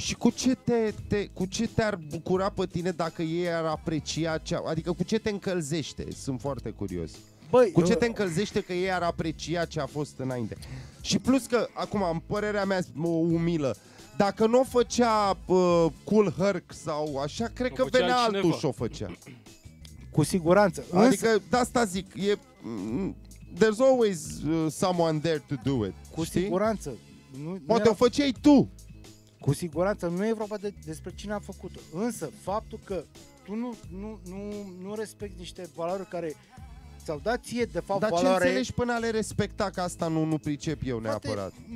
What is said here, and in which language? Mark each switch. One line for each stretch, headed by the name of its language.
Romanian: Și cu ce te-ar bucura pe tine dacă ei ar aprecia ceva? Adică cu ce te încălzește? Sunt foarte curios. Băi, cu ce te încălzește că ei ar aprecia ce a fost înainte? Și plus că, acum, în părerea mea umilă, dacă nu o făcea Cool Herc sau așa, cred că venea cineva. Altul și o făcea. Cu siguranță. Adică, de asta zic,
English: there's always someone there to do it.
Romanian: Cu știi? Siguranță. Poate o făceai tu. Cu siguranță, nu e vorba despre cine a făcut-o. Însă, faptul că tu nu respecti niște valori care... sau da ție, de fapt, dar valoare... Dar ce înțelegi până a le respecta, că asta nu pricep eu neapărat?